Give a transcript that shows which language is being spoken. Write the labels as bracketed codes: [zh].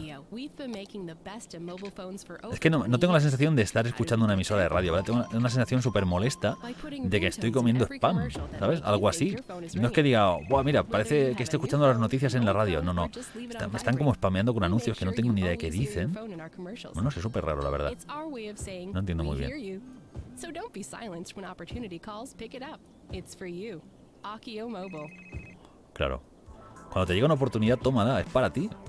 [es] Es que no tengo la sensación de estar escuchando una emisora de radio, ¿verdad? Tengo una sensación súper molesta de que estoy comiendo spam, ¿sabes? Algo así. No es que diga, buah, mira, parece que estoy escuchando las noticias en la radio. No, no. Están como spameando con anuncios que no tengo ni idea de qué dicen. Bueno, es súper raro, la verdad. No entiendo muy bien. [en] So don't be silenced when opportunity calls, pick it up. It's for you. Akio Mobile. Claro. [es] Cuando te llega una oportunidad, tómala, es para ti.